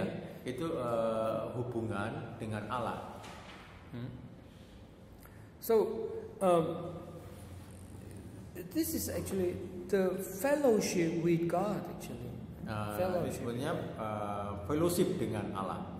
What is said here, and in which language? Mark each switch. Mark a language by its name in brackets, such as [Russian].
[Indonesian] Ya, itu hubungan dengan Allah. [English] So, this is actually the fellowship with God, actually. [Indonesian] Sebenarnya fellowship dengan Allah.